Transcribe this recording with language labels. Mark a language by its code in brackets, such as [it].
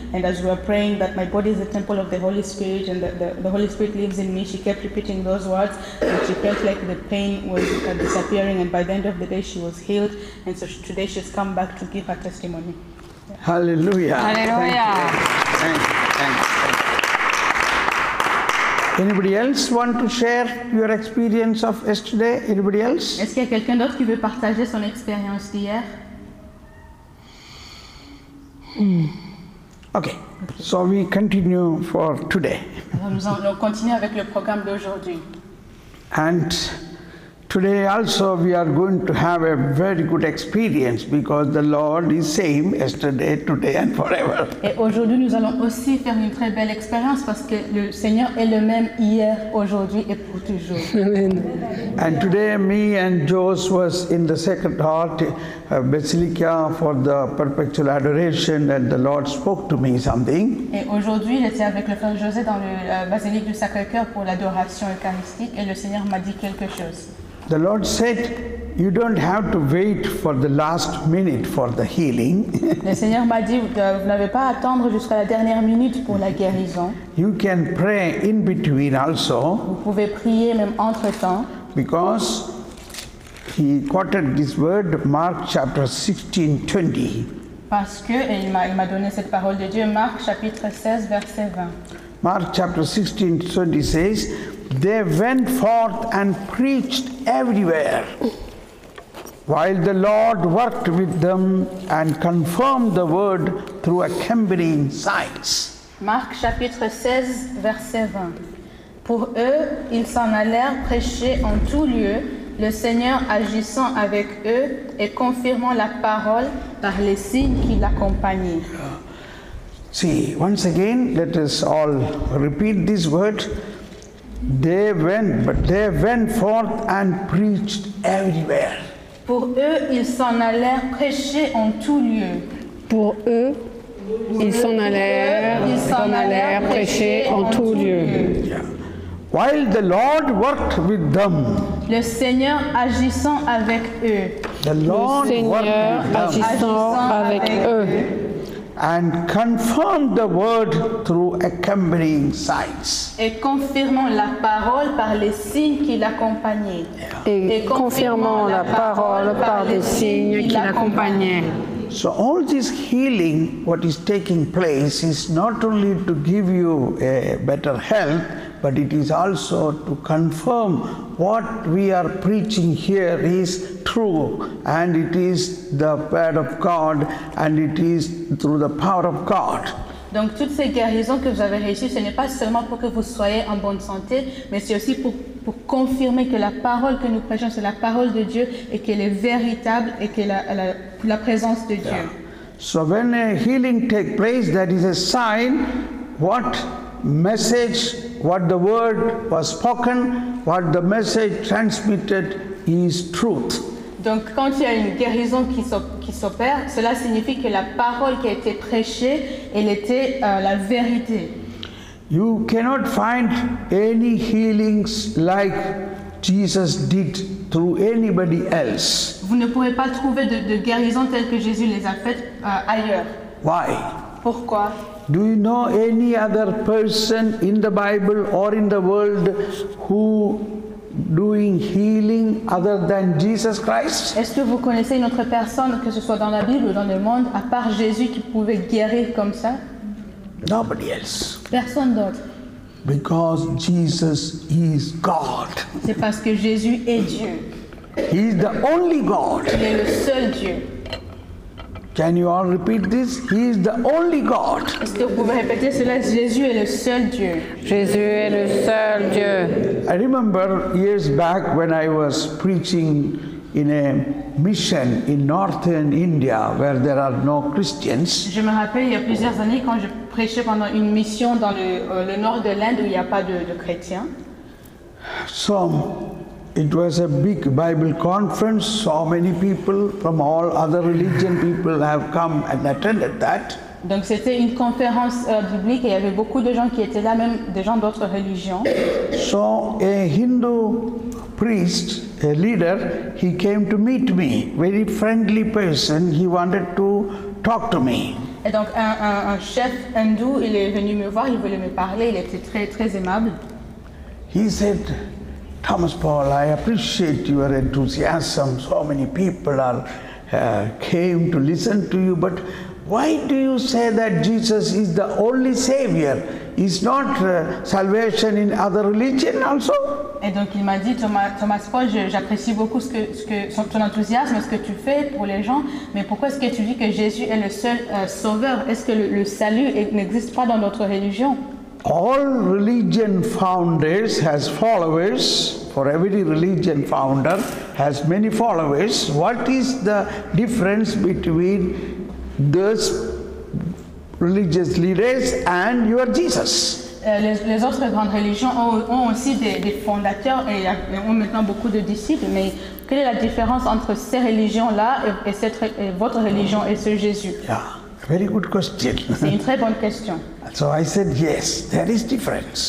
[en] And as we were praying that my body is the temple of the Holy Spirit and the Holy Spirit lives in me, she kept repeating those words, and she felt like the pain was disappearing, and by the end of the day she was healed. And so today she's come back to give her testimony. Yeah. Hallelujah. Hallelujah. Thank you. Anybody else want to share your experience of yesterday? Anybody else? [fr] Est-ce qu'il y a quelqu'un d'autre qui veut partager son expérience d'hier? [en] Okay. So we continue for today. [fr] Nous allons continuer avec le programme d'aujourd'hui. [en] And today also we are going to have a very good experience because the Lord is same yesterday, today and forever. [fr] Et aujourd'hui nous allons aussi faire une très belle expérience parce que le Seigneur est le même hier, aujourd'hui et pour toujours. [en] Amen. And today me and Joss was in the Sacred Heart Basilica for the perpetual adoration, and the Lord spoke to me something. [fr] Et aujourd'hui j'étais avec le frère José dans le basilique du Sacré-Cœur pour l'adoration eucharistique et le Seigneur m'a dit quelque chose. [en] The Lord said, you don't have to wait for the last minute for the healing. [fr] Le Seigneur m'a dit, vous n'avez pas à attendre jusqu'à la dernière minute pour la guérison. [en] You can pray in between also. [fr] Vous pouvez prier même entre temps. [en] Because he quoted this word, Mark chapter 16, 20. [fr] Parce que, et il m'a donné cette parole de Dieu, Marc chapitre 16, verset 20. [en] Mark chapter 16, 20 says, they went forth and preached everywhere, while the Lord worked with them and confirmed the word through accompanying signs. [fr] Marc chapitre 16, verset 20. Pour eux, ils s'en allèrent prêcher en tout lieu, le Seigneur agissant avec eux et confirmant la parole par les signes qui l'accompagnaient. [en] See, once again, let us all repeat these words. They went forth and preached everywhere. [fr] Pour eux, ils s'en allèrent prêcher en tout lieu. Pour eux, ils s'en allèrent prêcher en tout lieu. [en] Yeah. While the Lord worked with them. [fr] Le Seigneur agissant avec eux. [en] The Lord [fr] agissant avec eux. [en] and confirmed the word through accompanying signs. [fr] Et confirmant la parole par les signes qui l'accompagnaient. [en] So all this healing, what is taking place, is not only to give you a better health, but it is also to confirm what we are preaching here is true, and it is the word of God, and it is through the power of God. [fr] Donc toutes ces guérisons que vous avez reçues, ce n'est pas seulement pour que vous soyez en bonne santé, mais c'est aussi pour confirmer que la parole que nous prêchons, c'est la parole de Dieu, et qu'elle est véritable, et qu'elle a la présence de Dieu. [en] Yeah. So when a healing takes place, that is a sign, what message, what the word was spoken, what the message transmitted is truth. [fr] Donc quand il y a une guérison qui s'opère, cela signifie que la parole qui a été prêchée, elle était la vérité. [en] You cannot find any healings like Jesus did through anybody else. [fr] Vous ne pourrez pas trouver de guérison telle que Jésus les a faites ailleurs. [en] Why? [fr] Pourquoi? [en] Do you know any other person in the Bible or in the world who doing healing other than Jesus Christ? [fr] Est-ce que vous connaissez une autre personne, que ce soit dans la Bible ou dans le monde, à part Jésus qui pouvait guérir comme ça? [en] Nobody else. [fr] Personne d'autre. [en] Because Jesus is God. [fr] C'est parce que Jésus est Dieu. [en] He is the only God. [fr] Il est le seul Dieu. [en] Can you all repeat this? He is the only God. [fr] Est-ce que vous pouvez répéter cela? Jésus est le seul Dieu. Jésus est le seul Dieu. [en] I remember years back when I was preaching in a mission in northern India where there are no Christians. [fr] Je me rappelle il y a plusieurs années quand je prêchais pendant une mission dans le nord de l'Inde où il n'y a pas de chrétiens. [en] So, it was a big Bible conference. So many people from all other religion people have come and attended that. [fr] Donc c'était une conférence biblique et il y avait beaucoup de gens qui étaient là, même des gens d'autres religions. [en] So a Hindu priest, a leader, he came to meet me. Very friendly person. He wanted to talk to me. [fr] Et donc un chef hindou, il est venu me voir. Il voulait me parler. Il était très très aimable. [en] He said, Thomas Paul, I appreciate your enthusiasm. So many people are came to listen to you, but why do you say that Jesus is the only savior? Is not salvation in other religion also? [fr] Et donc il m'a dit, Thomas Paul, j'apprécie beaucoup ton enthousiasme, ce que tu fais pour les gens, mais pourquoi est-ce que tu dis que Jésus est le seul sauveur? Est-ce que le salut n'existe pas dans d'autres religions? [en] All religion founders has followers, for every religion founder has many followers. What is the difference between those religious leaders and your Jesus? [fr] Les autres grandes religions ont aussi des fondateurs et ont maintenant beaucoup de disciples, mais quelle est la différence entre ces religions-là et votre religion et ce Jésus? [en] Yeah, very good question. [fr] C'est une très bonne question. [en] So I said, yes, there is difference.